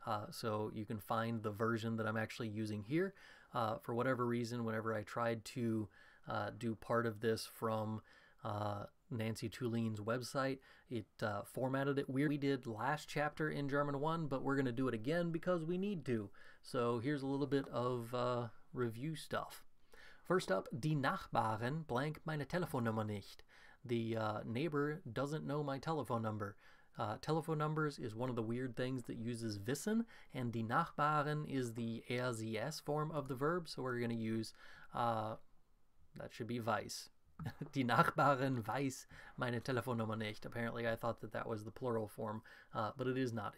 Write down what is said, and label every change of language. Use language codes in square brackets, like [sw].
[en] So you can find the version that I'm actually using here. For whatever reason, whenever I tried to do part of this from Nancy Tulin's website. It formatted it weird. We did last chapter in German 1, but we're going to do it again because we need to. So here's a little bit of review stuff. [de] First up, die Nachbarn blank meine Telefonnummer nicht. [en] The neighbor doesn't know my telephone number. Telephone numbers is one of the weird things that uses wissen, and die Nachbarn is the er/sie/es form of the verb, so we're going to use, that should be weiß. [de] Die Nachbarn weiß meine Telefonnummer nicht. [en] Apparently I thought that that was the plural form, but it is not.